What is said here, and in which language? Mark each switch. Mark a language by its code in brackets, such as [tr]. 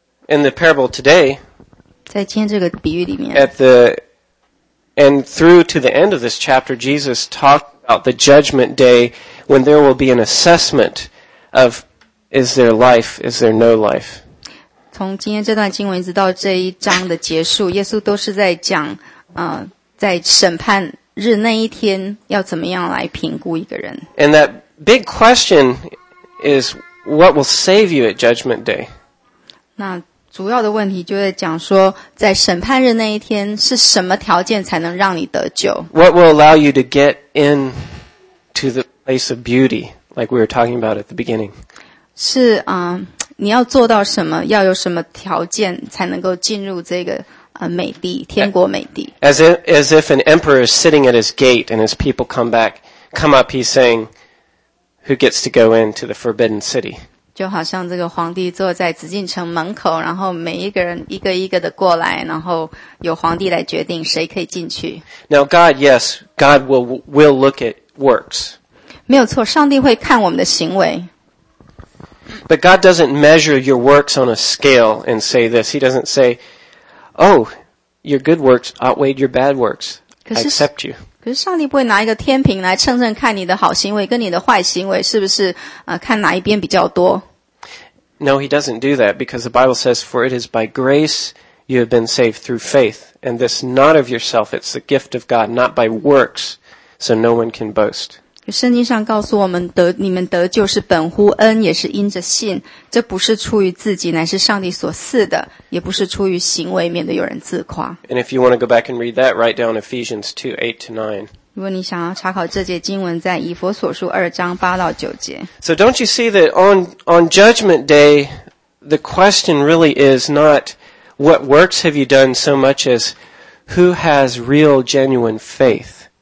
[en] In the parable today, [zh] 在今天这个比喻里面 [en] and through to the end of this chapter, Jesus talked about the judgment day when there will be an assessment of is there life, is there no life. [zh] 从今天这段经文一直到这一章的结束，耶稣都是在讲在审判日那一天要怎么样来评估一个人。 [en] And that big question is what will save you at judgment day? [zh] 那主要的问题就在讲说在审判日那一天是什么条件才能让你得救。 [en] What will allow you to get in to the place of beauty like we were talking about at the beginning? [zh] 是你要做到什么要有什么条件才能够进入这个美地天国美地。 [en] As if an emperor is sitting at his gate and his people come up, he's saying, who gets to go into the forbidden city? [zh] 就好像这个皇帝坐在紫禁城门口，然后每一个人一个一个的过来，然后由皇帝来决定谁可以进去。 [en] Now God, yes, God will look at works. [zh] 没有错，上帝会看我们的行为。 [en] But God doesn't measure your works on a scale and say this. He doesn't say, oh, your good works outweighed your bad works. I accept you. [zh] 可是上帝不会拿一个天平来称称看你的好行为跟你的坏行为是不是看哪一边比较多。 [en] No, he doesn't do that because the Bible says, for it is by grace you have been saved through faith, and this not of yourself, it's the gift of God, not by works, so no one can boast. [zh] 圣经上告诉我们你们得救是本乎恩，也是因着信，这不是出于自己，乃是上帝所赐的，也不是出于行为，免得有人自夸。 [en] And if you want to go back and read that, write down Ephesians 2:8-9. [zh] 如果你想要查考这节经文，在以弗所书二章八到九节。 [en] So don't you see that on judgment day, the question really is not what works have you done so much as who has real genuine faith?